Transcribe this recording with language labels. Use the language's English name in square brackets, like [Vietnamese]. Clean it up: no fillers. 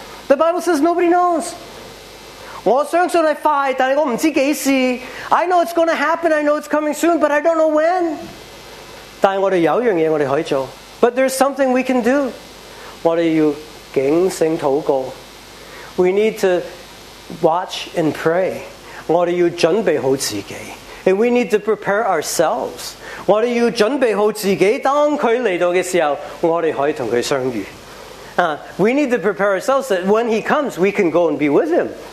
[English] The Bible says nobody knows. [Chinese] 我相信是快，但我不知道几时。 [English] I know it's going to happen, I know it's coming soon, but I don't know when. [Chinese] 但我们有一件事我们可以做。 [English] But there's something we can do. [Chinese] 我们要警醒祷告。 [English] We need to watch and pray. [Chinese] 我们要准备好自己。 [English] And we need to prepare ourselves. [Chinese] 我们要准备好自己，当他来到的时候，我们可以跟他相遇。 [English] We need to prepare ourselves that when he comes, we can go and be with him.